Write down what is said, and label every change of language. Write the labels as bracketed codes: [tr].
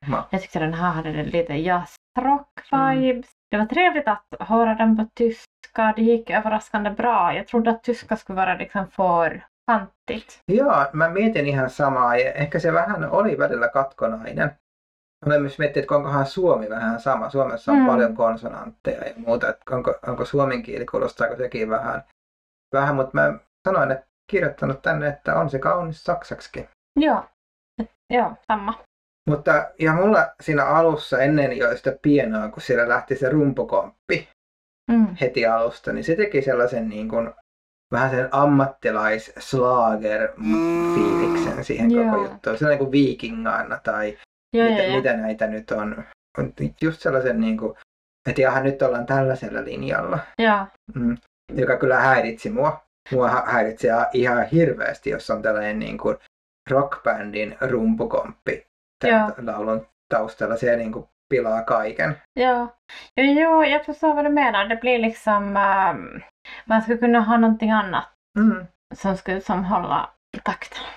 [sv] Jag tyckte den här hade lite jazzrock vibes. Det var trevligt att höra den på tyska. Det gick överraskande bra. Jag trodde att tyska skulle vara liksom för kantigt. [fi] Ja, mä mietin ihan samaa. Ehkä se vähän oli välillä katkonainen. Mä myös mietin, että onkohan suomi vähän sama. Suomessa on paljon konsonantteja ja muuta. Onko suomen kieli, kuulostaako sekin vähän. Mutta mä sanoin, että kirjoittanut tänne, että on se kaunis saksaksi. Joo, sama. Mutta ja mulla siinä alussa ennen jo sitä pienoa, kun siellä lähti se rumpukomppi heti alusta, niin se teki sellaisen niin kuin vähän sen ammattilaisslager-fiiliksen siihen koko juttuun. Sellainen kuin viikingaana tai mitä näitä nyt on. On just sellaisen niin kuin, että jahan nyt ollaan tällaisella linjalla, joka kyllä häiritsi mua. Mua häiritsi ihan hirveästi, jos on tällainen niin kuin rockbändin rumpukomppi. Laulun taustalla se niinku pilaa kaiken. [sv] Joo, jag förstår vad du menar. Det blir liksom man skulle kunna ha någonting annat som skulle som hålla i takt.